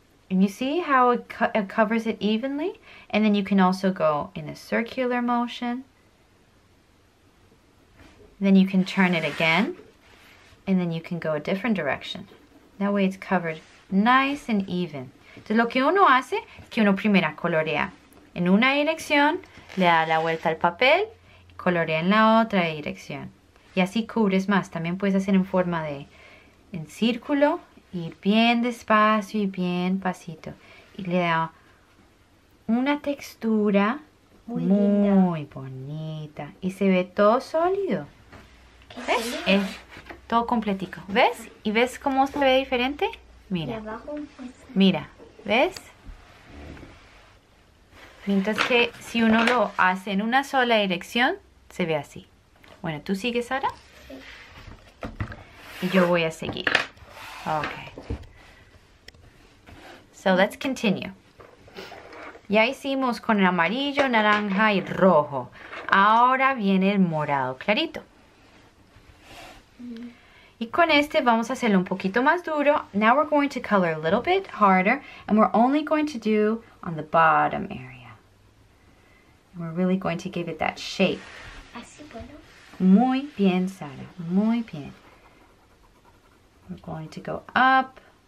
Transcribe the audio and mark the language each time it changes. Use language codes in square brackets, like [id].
[en] And you see how it covers it evenly? And then you can also go in a circular motion. Then you can turn it again, and then you can go a different direction. That way it's covered nice and even. [es] Entonces lo que uno hace es que uno primero colorea en una dirección, le da la vuelta al papel, y colorea en la otra dirección. Y así cubres más. También puedes hacer en forma de en círculo, ir bien despacio y bien pasito. Y le da una textura muy bonita. Y se ve todo sólido. ¿Ves? Todo completico. ¿Ves? ¿Y ves cómo se ve diferente? Mira. Mira. ¿Ves? Mientras que si uno lo hace en una sola dirección, se ve así. Bueno, ¿tú sigues, Sara? Sí. Y yo voy a seguir. Okay. [en] So let's continue. [es] Ya hicimos con el amarillo, naranja y rojo. Ahora viene el morado clarito. Y con este vamos a hacerlo un poquito más duro. [en] Now we're going to color a little bit harder, and we're only going to do on the bottom area. We're really going to give it that shape. [es] Así, bueno. Muy bien, Sara. Muy bien. [en] We're going to go up.